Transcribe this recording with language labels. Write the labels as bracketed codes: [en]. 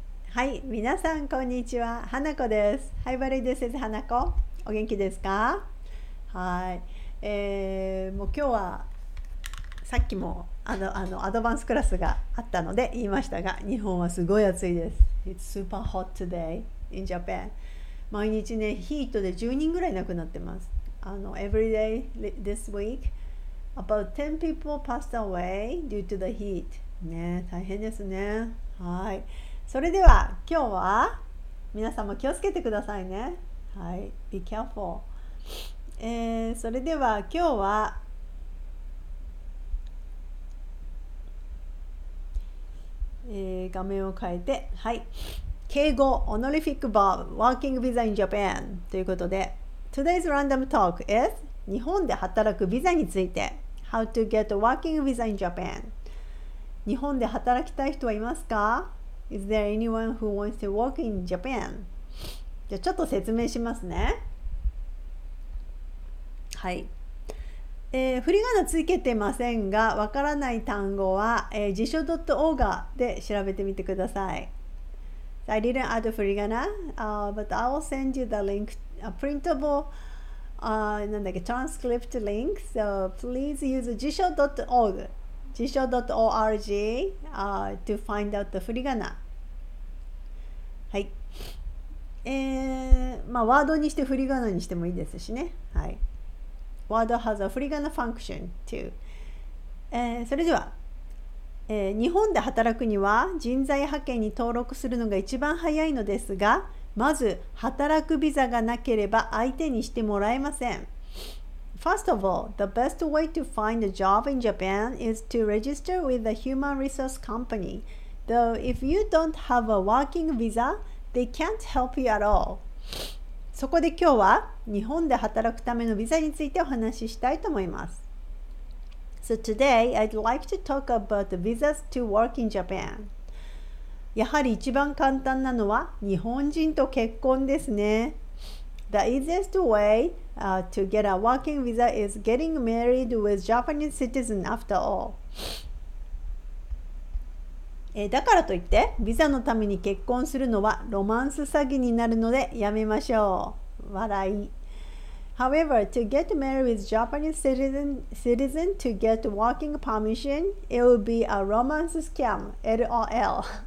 [ja] はい、みなさんこんにちは、花子です。ハイバリーです、花子、お元気ですか？はい、もう今日はさっきもあのアドバンスクラスがあったので言いましたが、日本はすごい暑いです。 [en] It's super hot today in Japan。 [ja] 毎日ね、ヒートで10人ぐらい亡くなってます。 [en] Every day this week about 10 people passed away due to the heat。 [ja] ね、大変ですね。はい、それでは今日は皆さんも気をつけてくださいね。 [en] はい、Be careful。 [ja] それでは今日は画面を変えて、 [en] はい、敬語、honorific verb、working visa in Japan [ja] ということで、 [en] Today's random talk is [ja] 日本で働くビザについて、 [en] How to get a working visa in Japan。 [ja] 日本で働きたい人はいますか？ [en] Is there anyone who wants to work in Japan？ [ja] じゃあちょっと説明しますね。はい、振り仮名つけてませんが、わからない単語は、辞書 .org で調べてみてください。 [en] I didn't add 振り仮名、but I will send you the link, a printable, transcript link. So please use 辞書 .org, 辞書 .org, to find out the 振り仮名。はい。 [ja] ワードにして振り仮名にしてもいいですしね。 [en] はい。Word has a 振り仮名 function too。 [ja] それでは、日本で働くには人材派遣に登録するのが一番早いのですが、まず働くビザがなければ相手にしてもらえません。 [en] First of all, the best way to find a job in Japan is to register with a human resource company. Though if you don't have a working visa, they can't help you at all。 [ja] そこで今日は日本で働くためのビザについてお話ししたいと思います。 [en] So today, I'd like to talk about visas to work in Japan. [ja] やはり一番簡単なのは日本人と結婚ですね。 [en] The easiest way, to get a working visa is getting married with Japanese citizen after all. [ja] だからといってビザのために結婚するのはロマンス詐欺になるのでやめましょう。 [en] 笑い。However, to get married with Japanese citizen to get working permission, it will be a romance scam, LOL.